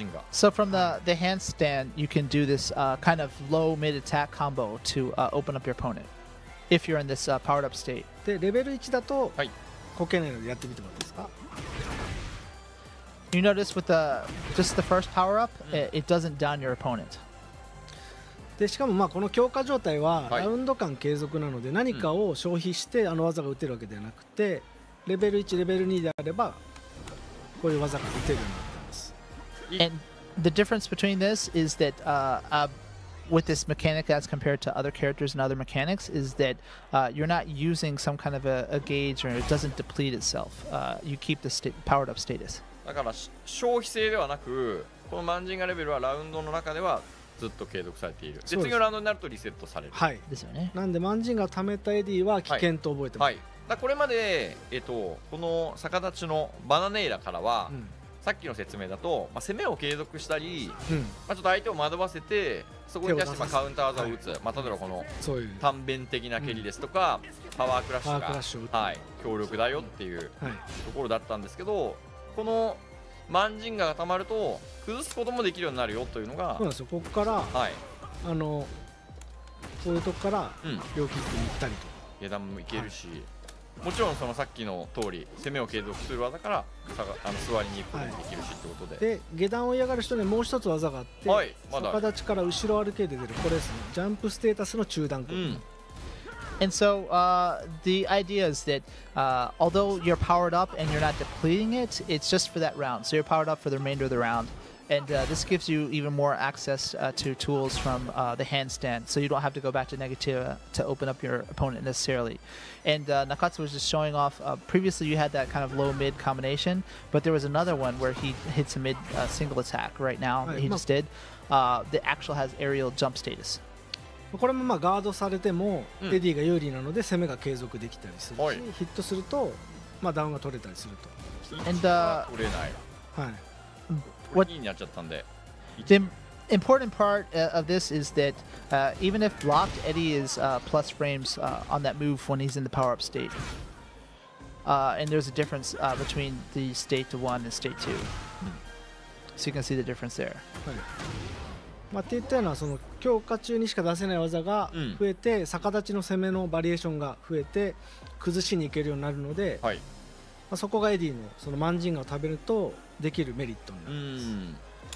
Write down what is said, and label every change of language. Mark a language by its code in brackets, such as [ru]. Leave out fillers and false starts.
[en] So from the handstand, you can do this kind of low mid attack combo to open up your opponent if you're in this powered up state. [ja] で、レベル1だと、はい、こけないのでやってみてもらえますか。 [en] You notice with just the first power up,、うん、it doesn't down your opponent. [ja] で、しかもまあこの強化状態はラウンド間継続なので何かを消費してあの技が打てるわけではなくて、レベル1、レベル2であればこういう技が打てるようになってます。 [en] And the difference between this is that with this mechanic as compared to other characters and other mechanics is that you're not using some kind of a gauge or it doesn't deplete itself. You keep the powered up status. [ja] だから消費性ではなく、このマンジンガレベルはラウンドの中ではずっと継続されている。で、次のラウンドになるとリセットされる。はい。ですよね。なんでマンジンガを貯めたエディは危険と覚えてます。はい。はい、だこれまで、この逆立ちのバナネイラからは、うん、さっきの説明だと、まあ、攻めを継続したり、うん、まあ、ちょっと相手を惑わせてそこに対してまあカウンター技を打つ、はい、まあ、例えばこの短弁的な蹴りですとか、うん、パワークラッシュが、はい、強力だよっていうところだったんですけど、このマンジンガがたまると崩すこともできるようになるよというのが、そうなんですよ、ここから、はい、あのこういうとこから両キックに行ったりと、下段もいけるし、はい、もちろんそのさっきの通り攻めを継続する技からあの座りに行くこともできるしってことで、はい、で下段を嫌がる人にもう一つ技があって、はい、まだ逆立ちから後ろ歩けで出るこれですね、ジャンプステータスの中段攻撃、うん、 [en] And so the idea is that although you're powered up and you're not depleting it, it's just for that round. So you're powered up for the remainder of the round. And this gives you even more access to tools from the handstand, so you don't have to go back to Negativa to open up your opponent necessarily. And Nakatsu was just showing off, previously you had that kind of low-mid combination, but there was another one where he hits a mid single attack right now, that he just did, that actually has aerial jump status. [ja] これもまあガードされてもエディが有利なので攻めが継続できたりするし、ヒットするとまあダウンが取れたりすると。 [en] And [ja] 取れない。はい。 [en] What [ja] になっちゃったんで。 [en] The important part of this is that even if blocked, Eddie is plus frames on that move when he's in the power up state. And there's a difference between the state 1 and state 2. So you can see the difference there. [ja] はい。まあ、って言ったようなその強化中にしか出せない技が増えて、うん、逆立ちの攻めのバリエーションが増えて崩しに行けるようになるので、はい、まあ、そこがエディのそのマンジンガを食べるとできるメリットになります。